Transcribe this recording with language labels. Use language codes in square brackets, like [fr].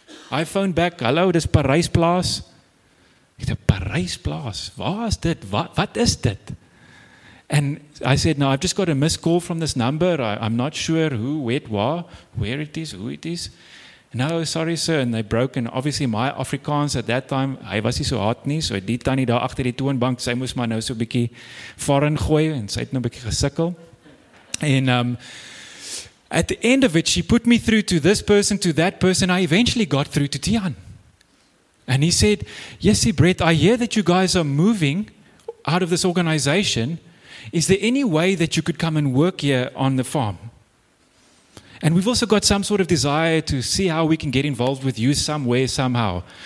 [en] I phoned back, hello, this Parijs Plaas. He said, Parijs Plaas? What is that? What is that? And I said, no, I've just got a missed call from this number. I'm not sure who, where, what, where it is, who it is. No, sorry, sir. And they broke. And obviously, my Afrikaans at that time, [af] hy was nie so hard nie. So die tannie daar achter die toonbank, sy moes maar nou so bietjie foreign gooi. En sy het nou bietjie gesikkel. [en] En at the end of it, she put me through to this person, to that person. I eventually got through to Tian. And he said, yes, see, Brett, I hear that you guys are moving out of this organization. Is there any way that you could come and work here on the farm? And we've also got some sort of desire to see how we can get involved with you somewhere, somehow.